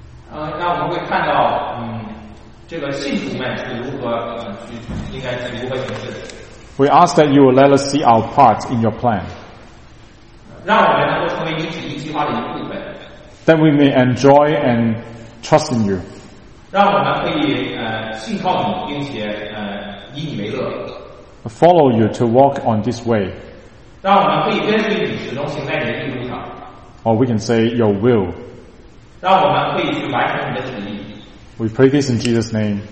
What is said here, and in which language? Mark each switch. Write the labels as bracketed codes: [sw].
[zh] 那我们会看到，这个信徒们是如何去，应该是如何行事。 [en] We ask that you will let us see our part in your plan. [zh] 让我们能够成为你旨意计划的一部分。 [en] That we may enjoy and trust in you. [zh] 让我们可以信靠你，并且以你为乐。 [en] Follow you to walk on this way. [zh] 让我们可以跟随你，始终行在你的道路上。 [en] Or we can say your will. [zh] 让我们可以去完成你的旨意。 [en] We pray this in Jesus' name.